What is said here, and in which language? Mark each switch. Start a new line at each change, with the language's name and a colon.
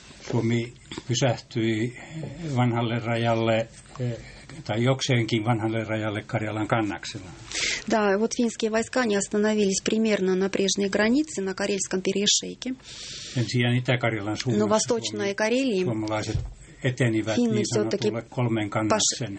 Finnish: Suomi pysähtyi vanhalle rajalle tai jokseenkin vanhalle rajalle Karjalan kannaksella.
Russian: Да, вот финские войска не остановились примерно на прежней границе, на Карельском перешейке.
Finnish: Sen sijaan Itä-Karjalan suunnassa.
Russian: Но восточная Карелия.
Finnish: Suomalaiset etenivät niin sanotulle kolmen kannaksen.